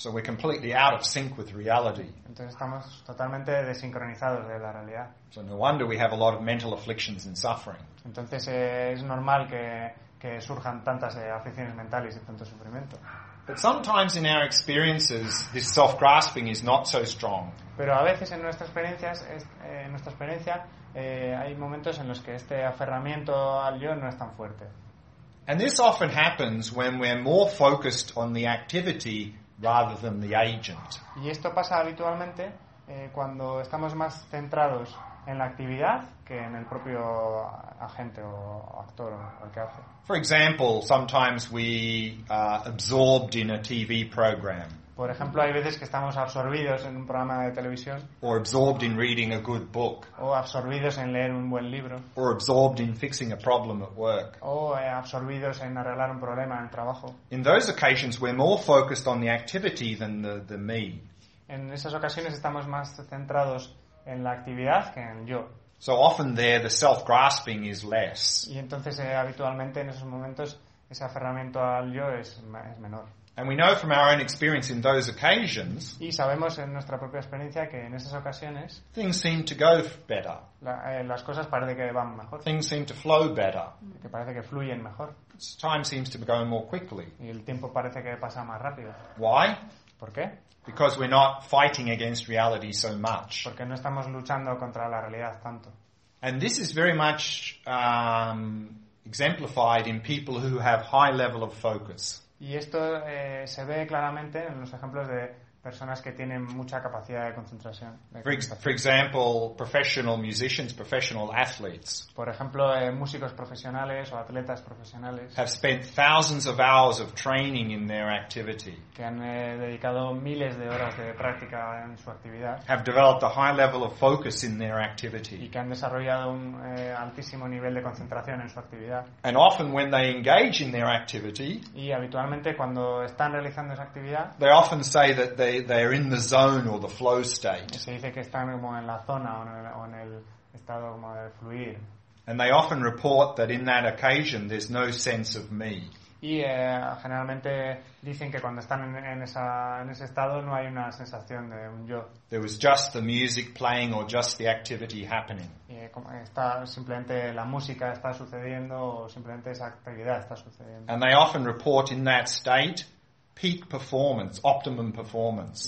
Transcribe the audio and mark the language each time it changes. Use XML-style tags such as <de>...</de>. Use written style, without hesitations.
<en>So we're completely out of sync with reality.</en> <es>Entonces estamos totalmente desincronizados de la realidad.</es> <en>So no wonder we have a lot of mental afflictions and suffering.</en> <es>Entonces es normal que surjan tantas aflicciones mentales y tanto sufrimiento.</es> <en>But sometimes in our experiences, this self-grasping is not so strong.</en> <es>Pero a veces en nuestras experiencias, en nuestra experiencia, hay momentos en los que este aferramiento al yo no es tan fuerte.</es> <en>And this often happens when we're more focused on the activity rather than the agent.</en> <es>Y esto pasa habitualmente cuando estamos más centrados en la actividad que en el propio agente o actor o el que hace.</es> <en>For example, sometimes we are absorbed in a TV program.</en> <es>Por ejemplo, hay veces que estamos absorbidos en un programa de televisión.</es> <en>Or absorbed in reading a good book.</en> <es>O absorbidos en leer un buen libro.</es> <en>Or absorbed in fixing a problem at work.</en> <es>O absorbidos en arreglar un problema en el trabajo.</es> <en>In those occasions, we're more focused on the activity than the me.</en> <es>En esas ocasiones estamos más centrados en la actividad que en yo.</es> <en>So often there the self-grasping is less.</en> <es>Y entonces habitualmente en esos momentos ese aferramiento al yo es menor.</es> <en>And we know from our own experience in those occasions.</en> <es>Y sabemos en nuestra propia experiencia que en esas ocasiones</es> <en>things seem to go better.</en> <es>Las cosas parece que van mejor.</es> <en>Things seem to flow better.</en> <es>Que parece que fluyen mejor.</es> <en>Time seems to be going more quickly.</en> <es>Y el tiempo parece que pasa más rápido.</es> <en>Why?</en> <es>¿Por qué?</es> <en>Because we're not fighting against reality so much.</en> <es>Porque no estamos luchando contra la realidad tanto.</es> <en>And this is very much exemplified in people who have high level of focus.</en> <es>Y esto se ve claramente en los ejemplos de personas que tienen mucha capacidad de concentración.</es> <en>For example, professional musicians, professional athletes.</en> <es>Por ejemplo, músicos profesionales o atletas profesionales.</es> <en>Have spent thousands of hours of training in their activity.</en> <es>Que han dedicado miles de horas de práctica en su actividad.</es> <en>Have developed a high level of focus in their activity.</en> <es>Y que han desarrollado un altísimo nivel de concentración en su actividad.</es> <en>And often when they engage in their activity.</en> <es>Y habitualmente cuando están realizando esa actividad.</es> <en>They often say that they are in the zone or the flow state.</en> <es>Se dice que están como en la zona o en el estado como de fluir.</es> <en>And they often report that in that occasion there's no sense of me.</en> <es>Y generalmente dicen que cuando están en ese estado no hay una sensación de un yo.</es> <en>There was just the music playing or just the activity happening.</en> <es>Y está simplemente la música está sucediendo o simplemente esa actividad está sucediendo.</es> <en>And they often report in that state peak performance, optimum performance.</en>